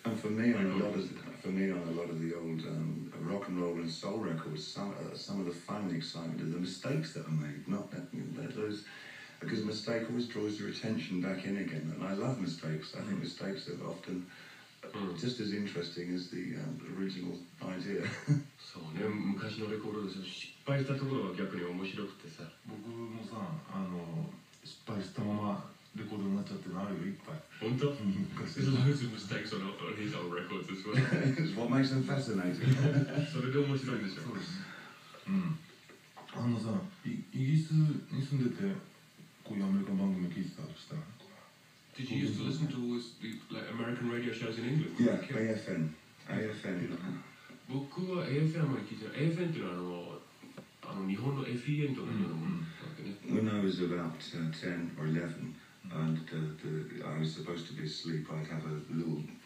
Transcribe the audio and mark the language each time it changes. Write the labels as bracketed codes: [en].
[en] And for me, on a lot of the old rock and roll and soul records, some of the fun and excitement are the mistakes that are made, not that, those, because mistake always draws your attention back in again, and I love mistakes. I think mistakes are often just as interesting as the original idea. [ja] そうね、昔のレコードですよ。失敗したところが逆に面白くてさ、僕もさ、失敗したままレコードになっちゃってのあるよ、いっぱい。本当？ [en] There's loads of mistakes on his old records as well. It's what makes them fascinating. [ja] それで面白いんでしょ。そうです。うん。さ、イギリスに住んでて、こういうアメリカ番組聞いてたとしたら。 [en] Did you used to listen to all these like American radio shows in England? Yeah, AFN. AFN. [ja] 僕は AFN まで聞いてた。AFN っていうのは、日本の FEN とかのようなもの。 [en] When I was about 10 or 11, and I was supposed to be asleep, I'd have a little